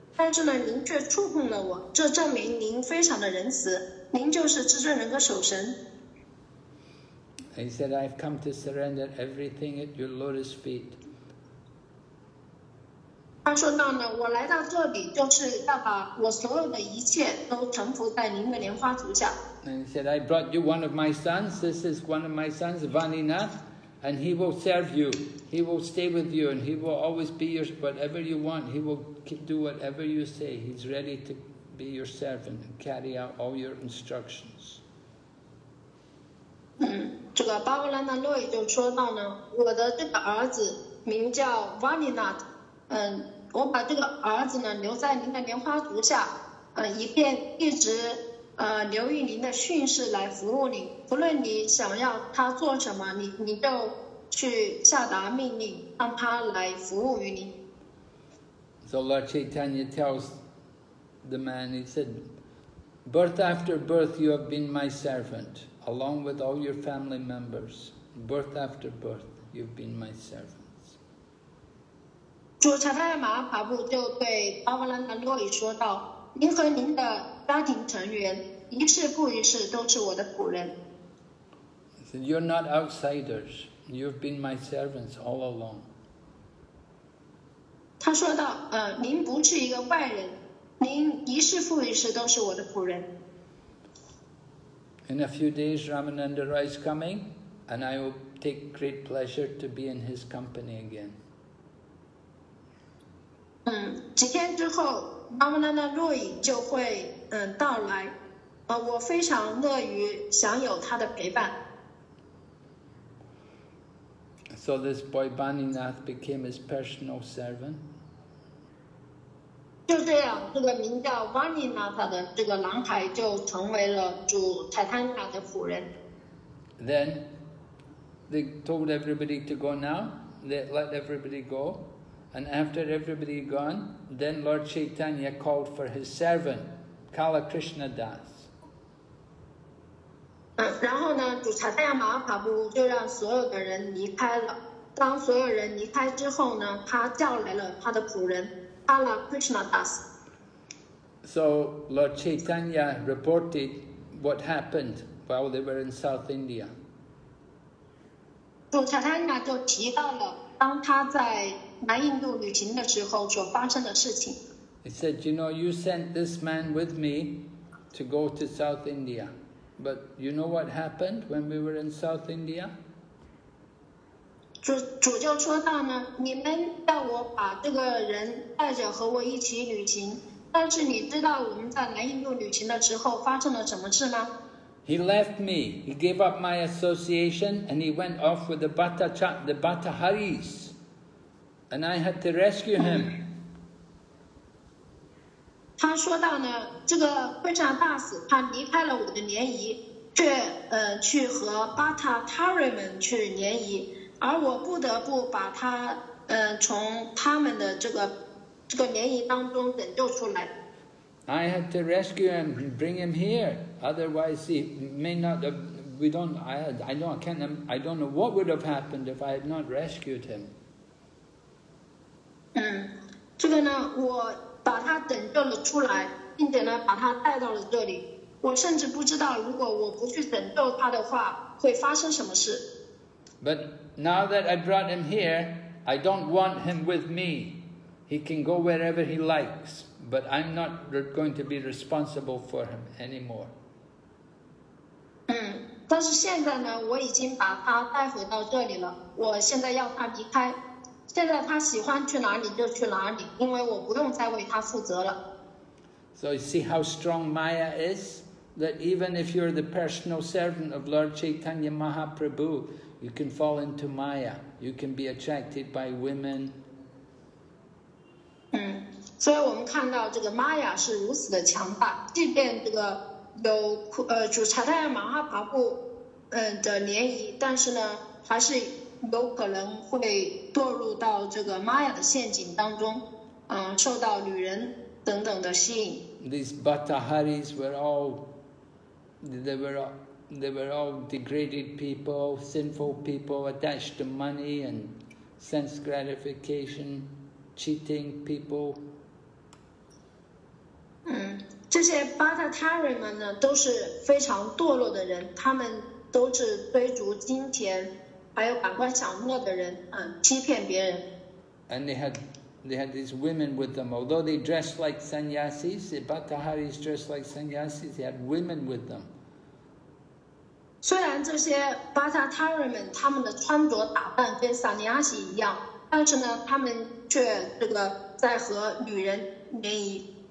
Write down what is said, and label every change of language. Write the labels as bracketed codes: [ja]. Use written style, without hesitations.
[zh] 但是呢，您却触碰了我，这证明您非常的仁慈，您就是至尊人格守神。 [en] He said, I've come to surrender everything at your lotus feet. [zh] 他说到呢，我来到这里就是要把我所有的一切都臣服在您的莲花足下。 [en] And he said, I brought you one of my sons. This is one of my sons, Vaninath, and he will serve you. He will stay with you, and he will always be your whatever you want. He will do whatever you say. He's ready to be your servant and carry out all your instructions. [zh] 这个巴布拉纳诺也就说到呢，我的这个儿子名叫 Vaninath， 我把这个儿子呢留在您的莲花足下，以便一直。留意您的训示来服务您，不论你想要他做什么，你就去下达命令，让他来服务于您。 [en] So Lord Chaitanya tells the man, he said, birth after birth you have been my servant, along with all your family members. Birth after birth you've been my servants. [zh] 主查泰马哈帕布就对巴布兰南洛伊说道，您和您的家庭成员一世不一世都是我的仆人。 [en] So、you're not outsiders. You've been my servants all along. [zh] 他说到，您不是一个外人，您一世不一世都是我的仆人。 [en] In a few days, Ramananda Rai is coming, and I will take great pleasure to be in his company again. [zh] 几天之后。巴布拉纳洛伊就会到来，我非常乐于享有他的陪伴。 [en] So this boy Vaninath became his personal servant. [zh] 就这样，这个名叫 Vaninath 的这个男孩就成为了主柴坦卡的仆人。 [en] Then they told everybody to go now. They let everybody go. And after everybody gone, then Lord Chaitanya called for his servant, Kala Krishna Das. [zh] 然后呢，主查泰亚马哈布就让所有的人离开了。当所有人离开之后呢，他叫来了他的仆人 Kala Krishna Das. [en] So Lord Chaitanya reported what happened while they were in South India. [zh] 主查泰亚就提到了当他在南印度旅行的时候所发生的事情。 [en] He said, you know, you sent this man with me to go to South India. But you know what happened when we were in South India? [zh] 主就说到呢，你们要我把这个人带着和我一起旅行，但是你知道我们在南印度旅行的时候发生了什么事吗？ [en] He left me. He gave up my association and he went off with the Bataharis. And I had to rescue him. [zh] 他说到呢，这个昆沙大使他离开了我的联谊，去和巴塔塔瑞们去联谊，而我不得不把他从他们的这个联谊当中拯救出来。 [en] I had to rescue him and bring him here. Otherwise, he may not have. I don't know what would have happened if I had not rescued him. [zh] 这个呢，我把他拯救了出来，并且呢，把他带到了这里。我甚至不知道，如果我不去拯救他的话，会发生什么事。 [en] But now that I brought him here, I don't want him with me. He can go wherever he likes. But I'm not going to be responsible for him anymore. [zh] 但是现在呢，我已经把他带回到这里了。我现在要他离开。现在他喜欢去哪里就去哪里，因为我不用再为他负责了。 [en] So you see how strong Maya is? That even if you're the personal servant of Lord Chaitanya Mahaprabhu, you can fall into Maya. You can be attracted by women. [zh] 所以我们看到这个玛雅是如此的强大，即便这个有主查泰亚马哈帕布的联谊，但是呢还是有可能会堕入到这个玛雅的陷阱当中，受到女人等等的吸引。 [en] These Bataharis were all degraded people, sinful people attached to money and sense gratification, cheating people. [zh] 这些巴塔塔人们呢都是非常堕落的人，他们都是追逐金钱还有感官享乐的人，欺骗别人。 [en] And they had these women with them, although they dressed like sannyasis, the Bhattaharis dressed like sannyasis, they had women with them. [zh] 虽然这些 Bhattahari 们他们的穿着打扮跟 sannyasi 一样，但是呢他们却这个在和女人联谊。